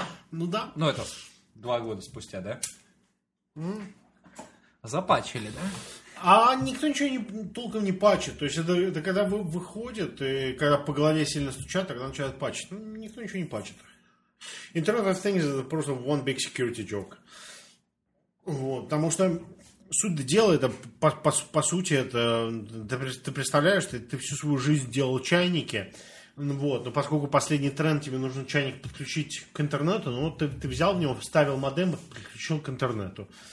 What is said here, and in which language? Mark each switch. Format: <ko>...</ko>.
<ru>Ну да. Ну это 2 года спустя, да? Запатчили, да? А никто ничего толком не патчит. То есть это когда выходит, и когда по голове сильно стучат, тогда начинают патчить. Ну, никто ничего не патчит.</ru> <en>Internet of Things</en> <ru>это просто</ru> <en>one big security joke.</en> <ru>Вот. Потому что суть дела, это по сути, это ты представляешь, ты всю свою жизнь делал чайники. Вот. Но поскольку последний тренд, тебе нужно чайник подключить к интернету, ну вот ты взял в него, вставил модем и подключил к интернету.</ru>